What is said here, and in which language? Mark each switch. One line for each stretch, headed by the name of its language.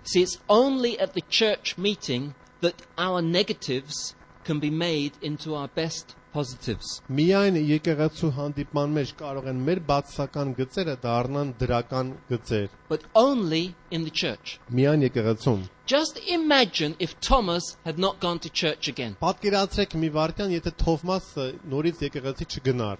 English: See, it's only at the church meeting that our negatives can be made into our best positives.
Armenian: Միայն եկեղեցու հանդիպման մեջ կարող են մեր բացական գծերը դառնան դրական գծեր.
English: But only in the church.
Armenian: Միայն եկեղեցում.
English: Just imagine if Thomas had not gone to church again.
Armenian: Պատկերացրեք մի վարքան, եթե Թովմասը նորից եկեղեցի չգնար.